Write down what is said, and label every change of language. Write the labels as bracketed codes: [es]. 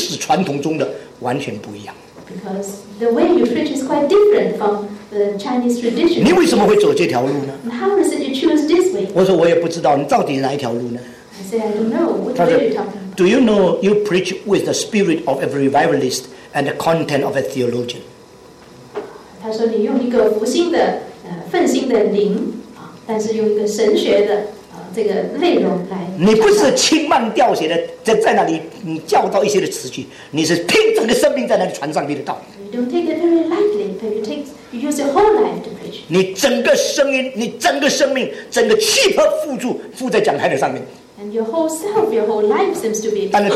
[zh] 因为你传道的方式与中国历教会的历史传统中的完全不一样。 [en] Because the way you preach is quite different from the Chinese tradition. [zh] 你为什么会走这条路呢？ [en] How is it you choose this way? [zh] 我说我也不知道，你到底哪一条路呢？ [en] I said, I don't know. What are you talking about? Do you know you preach with the spirit of a revivalist and the content of a theologian? [zh] 他说你用一个复兴的奋兴的灵， 但是用一个神学的这个内容来，你不是轻慢掉写的，在那里你教导一些的词句，你是拼整个生命在那里传上帝的道理。 [en] You don't take it very lightly, but you use your whole life to preach. [zh] 你整个声音，你整个生命，整个气魄附在讲台的上面。 [en] And your whole self, your whole life seems to be.